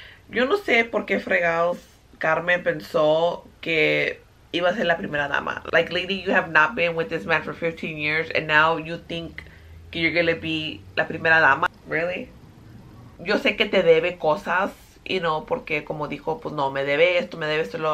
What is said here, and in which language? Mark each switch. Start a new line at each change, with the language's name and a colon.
Spanish: Yo no sé por qué fregados Carmen pensó que iba a ser la primera dama.
English: Like, lady, you have not been with this man for 15 years and now you think que you're gonna be
Spanish: la primera dama. Really? Yo sé que te debe cosas. Y no, porque como dijo, pues no, me debe esto, me debe esto, lo.